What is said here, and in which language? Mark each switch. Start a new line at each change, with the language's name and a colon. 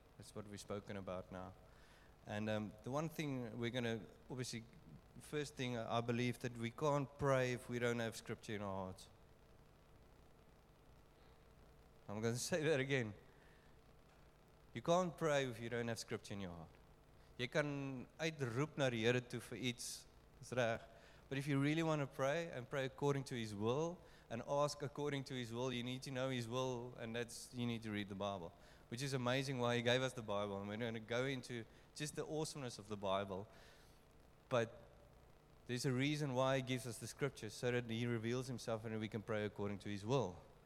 English: That's what we've spoken about now. And the one thing we're going to obviously... First thing, I believe that we can't pray if we don't have Scripture in our hearts. I'm going to say that again. You can't pray if you don't have Scripture in your heart.
Afrikaans: Jy kan uitroep na die Here toe vir iets, is reg.
English: But if you really want to pray, and pray according to His will, and ask according to His will, you need to know His will, and that's, you need to read the Bible. Which is amazing why He gave us the Bible. And we're going to go into just the awesomeness of the Bible. But there's a reason why He gives us the Scriptures, so that He reveals Himself and we can pray according to His will.